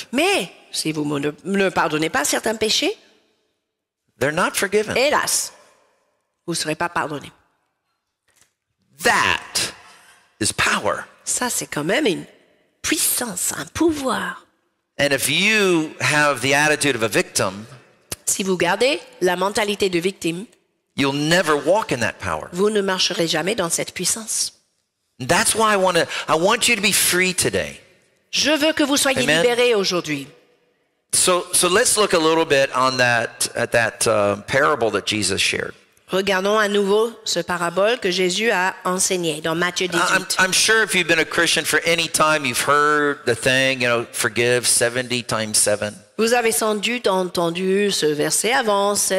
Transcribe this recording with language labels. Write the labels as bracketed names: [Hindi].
[French] mais si vous ne pardonnez pas certains péchés [English] they're not forgiven. [French] Hélas, vous ne serez pas pardonnés. [English] That is power. [French] Ça c'est quand même une puissance, un pouvoir. [English] And if you have the attitude of a victim, [French] si vous gardez la mentalité de victime, [English] you'll never walk in that power. [French] Vous ne marcherez jamais dans cette puissance. [English] That's why I want you to be free today. [French] Je veux que vous soyez [English] Amen. [French] Libérés aujourd'hui. [English] So let's look a little bit on that at that parable that Jesus shared. [French] Regardons à nouveau ce parabole que Jésus a enseigné dans Matthieu 18. [English] I'm sure if you've been a Christian for any time, you've heard the thing, you know, forgive 70 times 7. [French] Vous avez sans doute entendu ce verset avant,